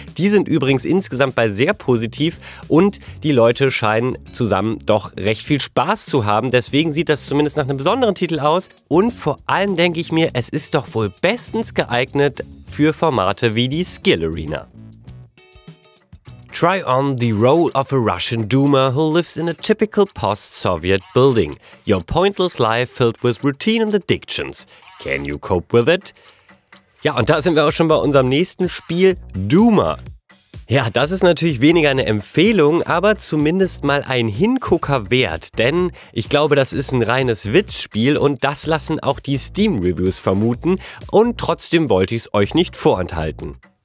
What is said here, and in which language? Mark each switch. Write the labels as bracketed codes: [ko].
[de] Die sind übrigens insgesamt bei sehr positiv und die Leute scheinen zusammen doch recht viel Spaß zu haben. Deswegen sieht das zumindest nach einem besonderen Titel aus. Und vor allem denke ich mir, es ist doch wohl bestens geeignet für Formate wie die Skill Arena. [en] Try on the role of a Russian Duma who lives in a typical post-Soviet building. Your pointless life filled with routine and addictions. Can you cope with it? [de] Ja, und da sind wir auch schon bei unserem nächsten Spiel, Duma. Ja, das ist natürlich weniger eine Empfehlung, aber zumindest mal ein Hingucker wert, denn ich glaube, das ist ein reines Witzspiel und das lassen auch die Steam-Reviews vermuten und trotzdem wollte ich es euch nicht vorenthalten.